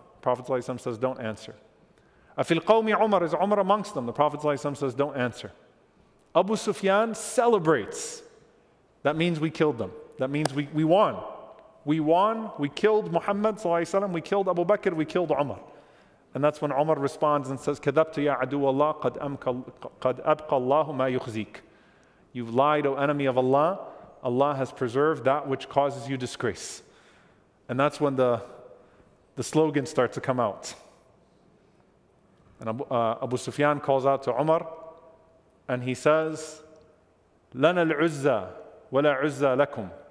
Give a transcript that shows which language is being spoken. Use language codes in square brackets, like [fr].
[en] The Prophet ﷺ says, don't answer. [ar] أَفِي الْقَوْمِ عُمَر, [en] is Umar amongst them? The Prophet ﷺ says, don't answer. Abu Sufyan celebrates. That means we killed them. That means we won. We won, we killed Muhammad sallallahu alayhi wa sallam, we killed Abu Bakr, we killed Umar. And that's when Umar responds and says, [ar] كَذَبْتُ يَا عَدُوَ اللَّهُ قَدْ أَبْقَى اللَّهُ مَا يُخْزِيكَ. [en] You've lied, O enemy of Allah. Allah has preserved that which causes you disgrace. And that's when the slogan starts to come out. And Abu Sufyan calls out to Omar, and he says, [ar] لَنَا الْعُزَّةَ وَلَا عُزَّةَ لَكُمْ.